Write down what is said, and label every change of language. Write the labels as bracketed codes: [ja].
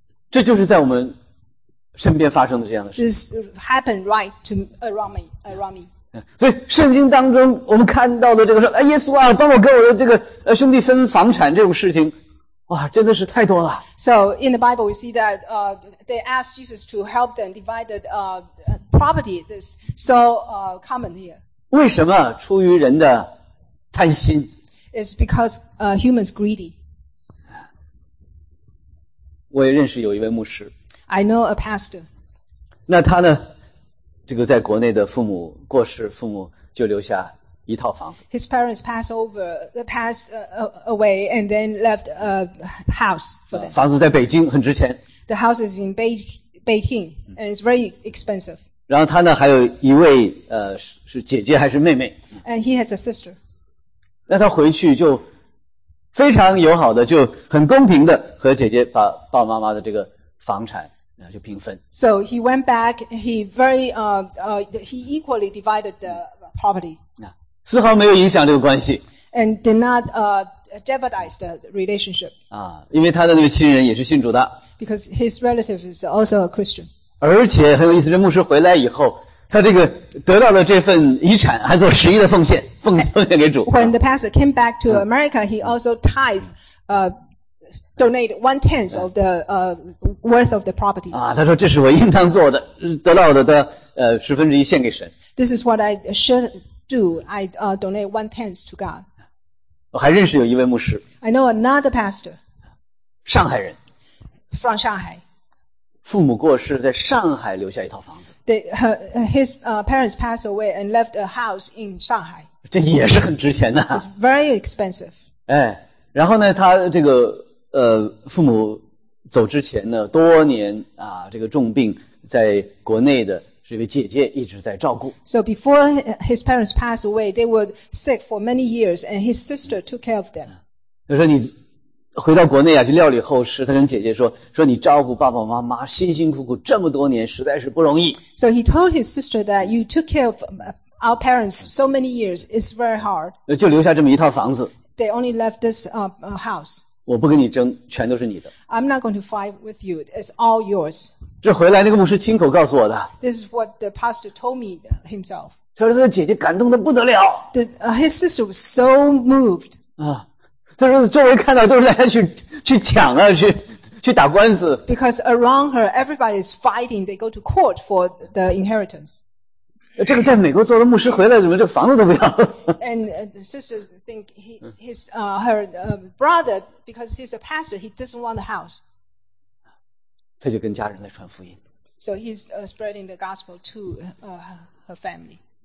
[zh] 这就是在我们身边发生的这样的事。 [en] This happened right to around me. [zh] 所以圣经当中我们看到的这个说，哎，耶稣啊，帮我跟我的这个兄弟分房产这种事情。哇，真的是太多了。 [en] So in the Bible, we see that they asked Jesus to help them divide the property. This so common here. [zh] 为什么出于人的贪心 [en] ？It's because humans greedy. [zh] 我也认识有一位牧师。 [en] I know a pastor. [zh] 那他呢？这个在国内的父母过世，父母就留下。一套房子。 [en] His parents passed away and then left a house for them. [zh] 房子在北京很值钱。 [en] The house is in Beijing and it's very expensive. [zh] 然后他呢还有一位是姐姐还是妹妹。 [en] And he has a sister. [zh] 那他回去就非常友好的就很公平的和姐姐把爸妈妈的这个房产就平分。 [en] So he went back, he very, he equally divided the property. [zh] 丝毫没有影响这个关系。 [en] And did not jeopardize the relationship. [zh] 啊，因为他的那个亲人也是信主的。 [en] Because his relative is also a Christian. [zh] 而且很有意思，这牧师回来以后，他这个得到了这份遗产，还做十一的奉献给主。 [en] When the pastor came back to America, he also tithes, donate one tenth of the worth of the property. [zh] 啊，他说这是我应当做的，得到的十分之一献给神。 [en] This is what I should. Donate one tenth to God. [zh] 我还认识有一位牧师。 [en] I know another pastor. [zh] 上海人。 [en] From Shanghai. [zh] 父母过世在上海留下一套房子。 [en] His parents passed away and left a house in Shanghai. [zh] 这也是很值钱的。 [en] It's very expensive. [zh] 哎，然后呢，他这个父母走之前呢，多年啊，这个重病在国内的。这位姐姐一直在照顾。 [en] So before his parents passed away, they were sick for many years, and his sister took care of them. [zh] 他说你回到国内啊，去料理后事。他跟姐姐说你照顾爸爸妈妈辛辛苦苦这么多年，实在是不容易。 [en] So he told his sister that you took care of our parents so many years, it's very hard. [zh] 就留下这么一套房子。 [en] They only left this house. [zh] 我不跟你争，全都是你的。 [en] I'm not going to fight with you. It's all yours. [zh] 这回来那个牧师亲口告诉我的。 [en] This is what the pastor told me himself. [zh] 他说他的姐姐感动得不得了。 [en] His sister was so moved. [zh] 他说周围看到都是大家去抢啊，去打官司。 [en] Because around her, everybody is fighting. They go to court for the inheritance. [zh] 这个在美国做的牧师回来怎么这房子都不要了 [en] ？And the sisters think her brother, because he's a pastor, he doesn't want the house. [zh] 他就跟家人来传福音。 [en] So he's spreading the gospel to her family.